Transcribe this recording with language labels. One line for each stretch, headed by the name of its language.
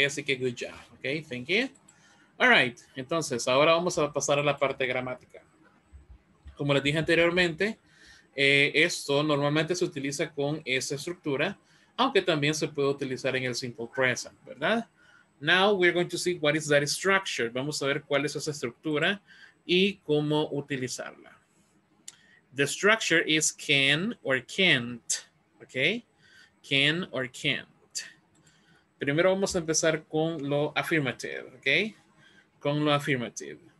Spanish: Así que
English: good job, ok? Thank you. All right,
Spanish: entonces, ahora vamos a pasar a la parte gramática. Como les dije anteriormente, esto normalmente se utiliza con esa estructura, aunque también se puede utilizar en el simple present, ¿verdad?
English: Now we're going to see what is that structure.
Spanish: Vamos a ver cuál es esa estructura y cómo utilizarla.
English: The structure is can or can't, ok? Can or can't.
Spanish: Primero vamos a empezar con lo affirmative, ¿ok? Con lo affirmative.